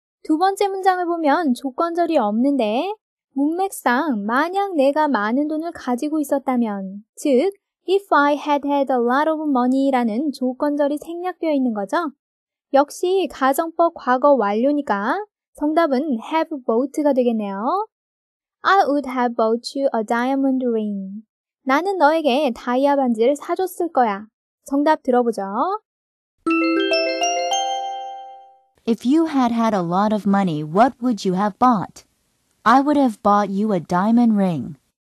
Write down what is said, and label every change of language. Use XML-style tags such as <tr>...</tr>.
<ko>두 번째 문장을 보면 조건절이 없는데 문맥상 만약 내가 많은 돈을 가지고 있었다면, 즉</ko> <en>if I had had a lot of money</en> <ko>라는 조건절이 생략되어 있는 거죠. 역시 가정법 과거 완료니까 정답은 have bought가 되겠네요.</ko> <en>I would have bought you a diamond ring.</en> <ko>나는 너에게 다이아 반지를 사줬을 거야. 정답 들어보죠.</ko> <en>If you had had a lot of money, what would you have bought? I would have bought you a diamond ring.</en>